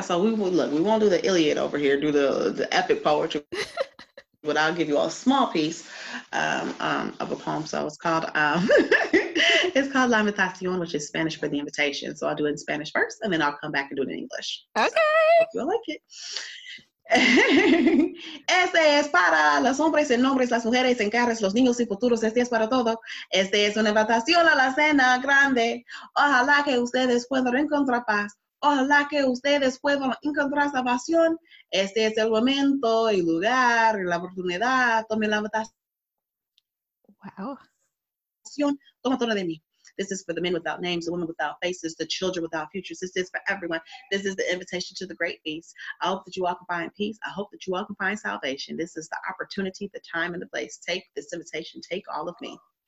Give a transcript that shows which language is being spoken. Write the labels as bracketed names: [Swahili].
[English] So we won't do the Iliad over here, do the epic poetry, but I'll give you all a small piece of a poem. So it's called, it's called La Invitación, which is Spanish for the invitation. So I'll do it in Spanish first, and then I'll come back and do it in English. Okay. So, you'll like it. [Spanish] Este es para los hombres en nombres, las mujeres en carros, los niños y futuros. Este es para todo. Este es una invitación a la cena grande. Ojalá que ustedes puedan encontrar paz. Ojalá que ustedes puedan encontrar salvación. Este es el momento y lugar, la oportunidad. Tomen la invitación. [English] Wow. This is for the men without names, the women without faces, the children without futures. This is for everyone. This is the invitation to the great feast. I hope that you all can find peace. I hope that you all can find salvation. This is the opportunity, the time, and the place. Take this invitation. Take all of me.